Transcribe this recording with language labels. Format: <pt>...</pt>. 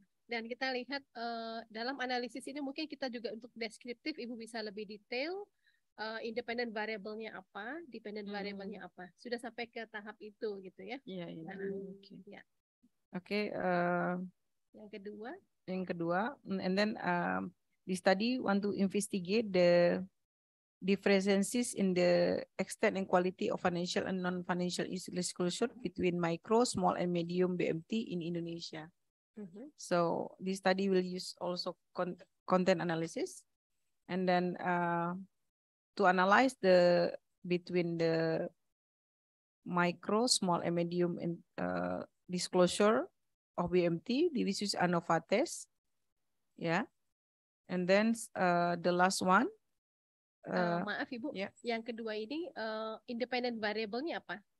<id>Dan kita lihat dalam analisis ini mungkin kita juga untuk deskriptif Ibu bisa lebih detail. Independent variable-nya apa, dependent variable-nya apa. Sudah sampai ke tahap itu gitu ya. Iya, iya. Oke. Ya. Oke, yang kedua. Yang kedua,</id> <en>and then the study want to investigate the differences in the extent and quality of financial and non-financial disclosure between micro, small and medium BMT in Indonesia. So, this study will use also content analysis and then to analyze the between the micro, small, and medium in, disclosure of BMT, this is ANOVA test, yeah. And then the last one.</en> <id>Maaf ibu, yang kedua ini independent variable-nya apa?</id>